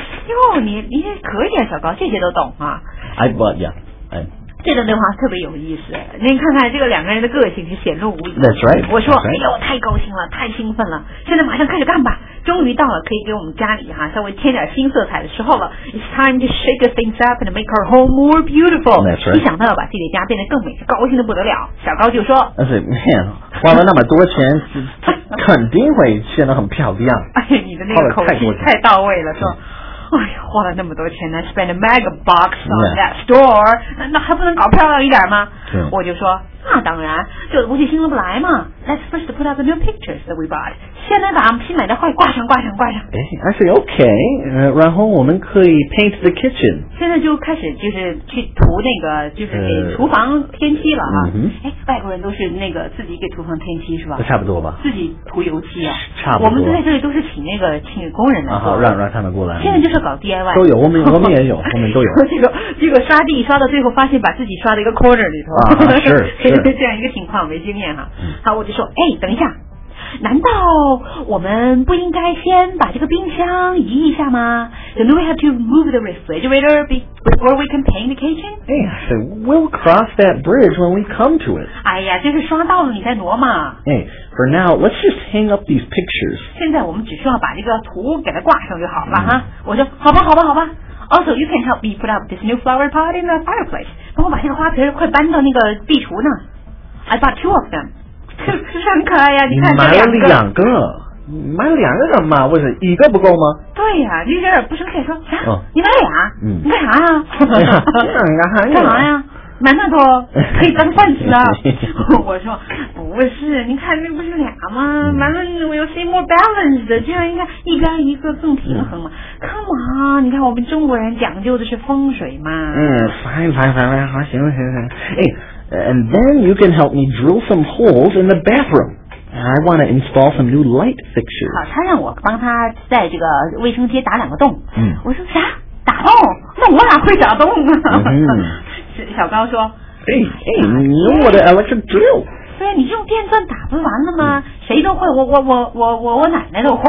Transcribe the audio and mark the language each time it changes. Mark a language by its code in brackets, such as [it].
[zh] 因为你可以啊，小高，这些都懂啊。 [en] I bought, yeah. [zh] 这段对话特别有意思，您看看这个两个人的个性是显露无遗。 [en] That's right. [zh] 我说， [en] right. [zh] 哎呦，太高兴了，太兴奋了，现在马上开始干吧。终于到了可以给我们家里哈稍微添点新色彩的时候了。 [en] It's time to shake things up and make our home more beautiful. That's right. [zh] 一想到要把自己的家变得更美，高兴得不得了。小高就说 [en] ：“That's it, man. [zh] 花了那么多钱，肯定会显得很漂亮。” 哎，你的那个口气太到位了，说。哎呀，花了那么多钱呢 ， [en] spend a mega box on that store， [zh] 那还不能搞漂亮一点吗？我就说，那当然，旧的东西新的不来嘛。 [en] Let's first put out the new pictures that we bought。 [zh] 现在把我们新买的画挂上。 [en] 哎 ，I say okay， [zh] 然后我们可以 [en] paint the kitchen。 [zh] 现在就开始就是去涂那个就是给厨房添漆了啊。哎，外国人都是那个自己给厨房添漆是吧？差不多吧。自己涂油漆啊。差不多。我们在这里都是请工人来做。啊，让他们过来。现在就是搞 DIY。都有，我们也有，我们都有。这个刷地刷到最后，发现把自己刷到一个 corner 里头。是这样一个情况，没经验哈。好，我就说，哎，等一下。难道我们不应该先把这个冰箱移一下吗？ [en] Then we have to move the refrigerator before we can paint the kitchen? Hey, I said, we'll cross that bridge when we come to it. [zh] 哎呀，这是刷到了你在挪嘛。 [en] Hey, for now, let's just hang up these pictures. [zh] 现在我们只需要把这个图给它挂上就好了哈。我说，好吧。 [en] Also, you can help me put up this new flower pot in the fireplace. [zh] 帮我把这个花瓶快搬到那个壁橱呢。 [en] I bought two of them. [zh] 是很可爱呀、啊！你买了两个，买了两个干嘛？为什么一个不够吗？对呀、啊，你有点不生气说、啊哦，你买俩、嗯，你干啥呀、啊？干啥呀？干啥呀？买那么多可以当饭吃啊！我说不是，你看那不是俩吗？买了我又 [en] say more balanced， [zh] 这样应该一边一个更平衡嘛、？ [en] Come on， [zh] 你看我们中国人讲究的是风水嘛。嗯，烦，好，行。哎。 [en] And then you can help me drill some holes in the bathroom. I want to install some new light fixtures. [zh] 好，他让我帮他在这个卫生间打两个洞。嗯，我说啥？打洞？那我哪会打洞啊？小高说，哎，你用我的 electric drill。对呀，你用电钻打不完了吗？谁都会，我奶奶都会。